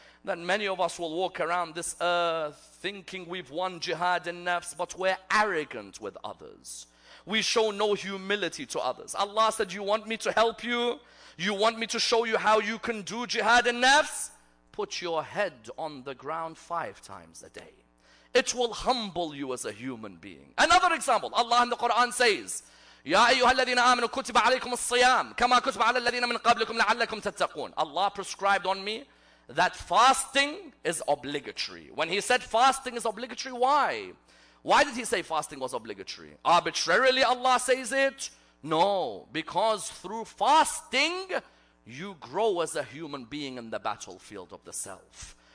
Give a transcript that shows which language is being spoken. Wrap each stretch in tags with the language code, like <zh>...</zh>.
<en>That many of us will walk around this earth thinking we've won jihad and nafs, but we're arrogant with others. We show no humility to others. Allah said, you want me to help you? You want me to show you how you can do jihad and nafs? Put your head on the ground 5 times a day. It will humble you as a human being.</en> <ar>Another example, Allah in the Quran says, يَا أَيُّهَا الَّذِينَ آمَنُوا كُتِبَ عَلَيْكُمُ الصِّيَامُ كَمَا كُتِبَ عَلَى الَّذِينَ مِنْ قَبْلِكُمْ لَعَلَّكُمْ تَتَّقُونَ.</ar> <en>Allah prescribed on me that fasting is obligatory. When he said fasting is obligatory, why? Why did he say fasting was obligatory? Arbitrarily Allah says it? No, because through fasting, you grow as a human being in the battlefield of the self.</en>